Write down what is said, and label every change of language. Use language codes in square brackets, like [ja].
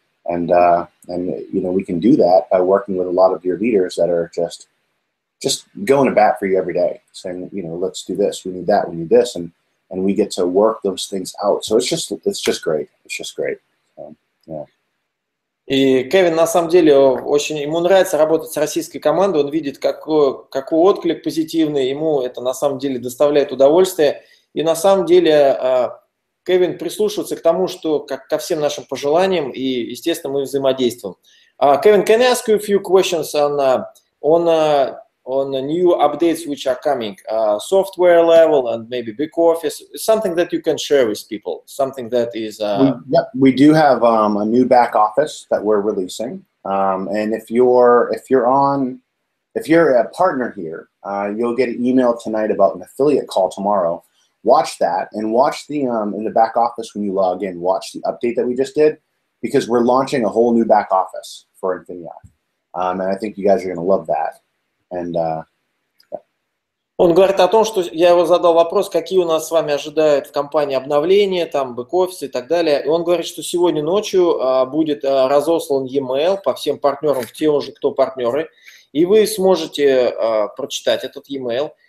[en] And we can do that by working with a lot of your leaders that are just going to bat for you every day, saying, you know, let's do this. We need that. We need this. And we get to work those things out. So it's just great. It's just great. So, yeah. [ru] И Кевин, на самом деле, очень ему нравится работать с российской командой, он видит, какой отклик позитивный, ему это на самом деле доставляет удовольствие. И на самом деле Кевин прислушивается к тому, что ко всем нашим пожеланиям, и, естественно, мы взаимодействуем. [en] Кевин, can I ask you a few questions on new updates which are coming? Software level and maybe big office, something that you can share with people, something that is... We do have a new back office that we're releasing. And if you're a partner here, you'll get an email tonight about an affiliate call tomorrow. Watch that and watch the in the back office when you log in, watch the update that we just did, because we're launching a whole new back office for Infineon. And I think you guys are going to love that. [ru] Он говорит о том, что я его задал вопрос, какие у нас с вами ожидают в компании обновления, там бэк-офис и так далее. И он говорит, что сегодня ночью будет разослан e-mail по всем партнерам, те уже кто партнеры, и вы сможете прочитать этот e-mail.